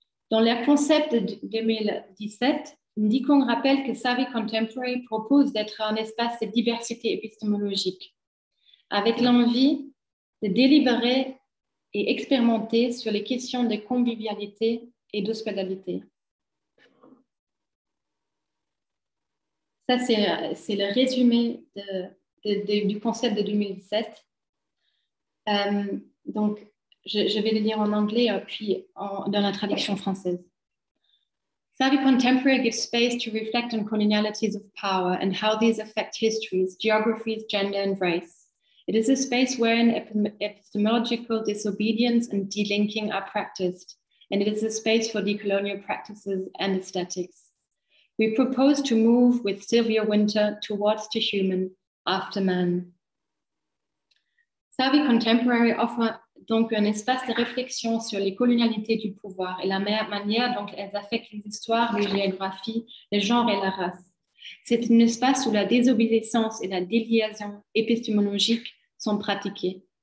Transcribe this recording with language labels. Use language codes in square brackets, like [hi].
[fr] Dans le concept de 2017, Ndikoum rappelle que Savvy Contemporary propose d'être un espace de diversité épistémologique, avec l'envie de délibérer et expérimenter sur les questions de convivialité et d'hospitalité. Ça, c'est le résumé du concept de 2017. Donc, je vais le lire en anglais, puis dans la traduction française. [en] Savvy Contemporary gives space to reflect on colonialities of power and how these affect histories, geographies, gender and race. It is a space wherein epistemological disobedience and delinking are practiced, and it is a space for decolonial practices and aesthetics. We propose to move with Sylvia Winter towards the human after man. [fr] Savvy Contemporary offre donc un espace de réflexion sur les colonialités du pouvoir et la manière dont elles affectent les histoires, les géographies, les genres et la race. C'est un espace où la désobéissance et la déliaison épistémologique sont pratiquées.